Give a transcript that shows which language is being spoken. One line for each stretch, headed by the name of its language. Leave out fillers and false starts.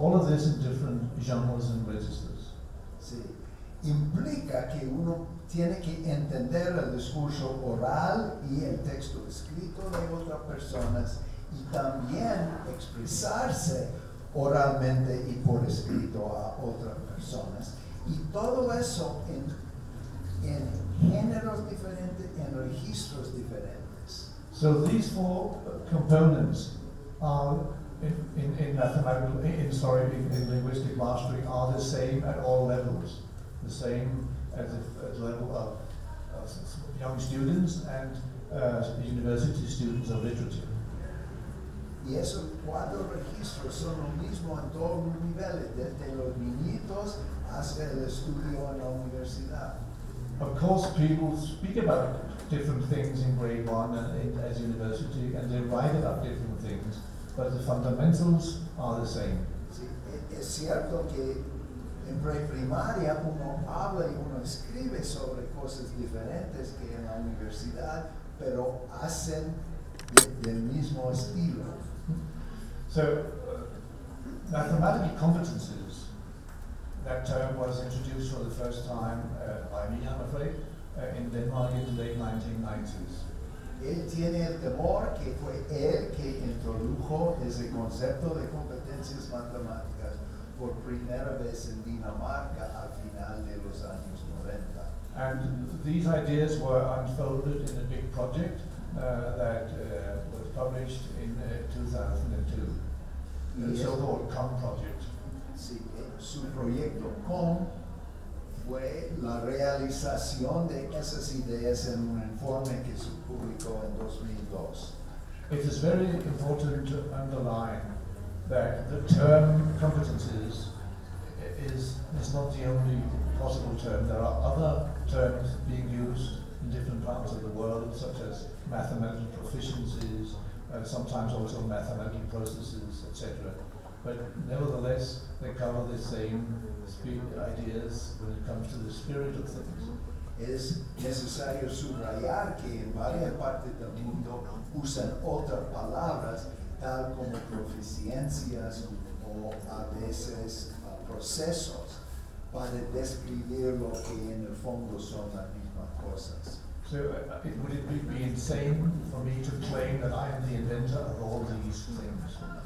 English: All of this in different genres and registers.
Spanish: Sí. Implica que uno tiene que entender el discurso oral y el texto escrito de otras personas y también expresarse oralmente y por escrito a otras personas. Y todo eso en géneros diferentes, en registros diferentes.
English: So these four components are in mathematical, in linguistic mastery are the same at all levels. The same at the level of young students and university students of literature.
Spanish: Y esos cuatro registros son lo mismo en todos los niveles, desde los niñitos hasta el estudio en la universidad.
English: Of course, people speak about different things in grade one and as university, and they write about different things, but the fundamentals are the same.
Spanish: Sí, es cierto que en preprimaria uno habla y uno escribe sobre cosas diferentes que en la universidad, pero hacen del mismo estilo.
English: So, mathematical competences, that term was introduced for the first time by me, I'm afraid, in Denmark in the late 1990s.
Spanish: Él tiene el temor que fue él que introdujo ese concepto de competencias matemáticas por primera vez en Dinamarca al final de los años 90.
English: And these ideas were unfolded in a big project that was published in 2002, the so-called COM project.
Spanish: Sí, su proyecto COM fue la realización de esas ideas en un informe que se publicó en 2002.
English: It is very important to underline that the term competencies is not the only possible term. There are other terms being used in different parts of the world, such as mathematical proficiencies, sometimes also mathematical processes, etc. But nevertheless, they cover the same ideas when it comes to the spirit of things.
Spanish: Es necesario subrayar que en varias partes del mundo usan otras palabras, tal como proficiencias o a veces procesos, para describir lo que en el fondo son las mismas cosas.
English: So would it be insane for me to claim that I am the inventor of all these things?